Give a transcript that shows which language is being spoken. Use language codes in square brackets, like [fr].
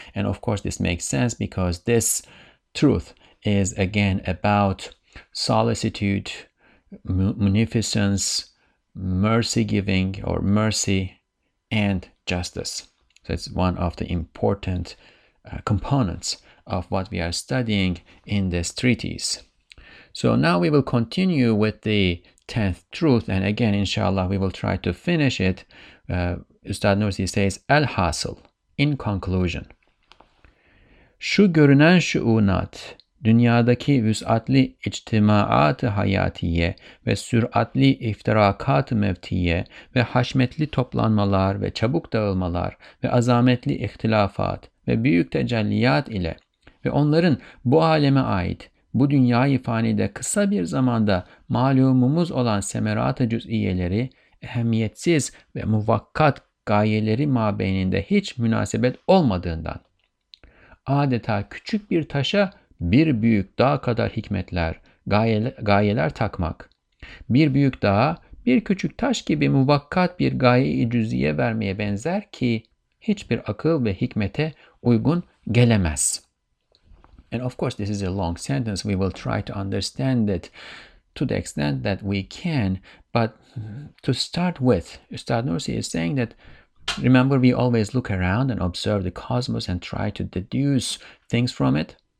[en] And of course this makes sense because this truth is again about solicitude, munificence, mercy giving or mercy, and justice. So it's one of the important components of what we are studying in this treatise. So now we will continue with the 10th truth, and again inshallah we will try to finish it. Ustad Nursi says, [tr] Elhasıl, [en] in conclusion, [tr] şu görünen şuunat dünyadaki vüs'atli içtimaat-ı hayatiye ve sür'atli iftirakat-ı mevtiye ve haşmetli toplanmalar ve çabuk dağılmalar ve azametli ihtilafat ve büyük tecelliyat ile ve onların bu aleme ait, bu dünyayı fanide kısa bir zamanda malumumuz olan semerat-ı cüz'iyeleri, ehemmiyetsiz ve muvakkat gayeleri mabeyninde hiç münasebet olmadığından, adeta küçük bir taşa bir büyük dağ kadar hikmetler, gayeler takmak, bir büyük dağa bir küçük taş gibi muvakkat bir gaye-i cüz'iye vermeye benzer ki hiçbir akıl ve hikmete uygun gelemez. [en] And of course, this is a long sentence. We will try to understand it to the extent that we can. But to start with, Ustad Nursi is saying that, remember, we always look around and observe the cosmos and try to deduce things from it.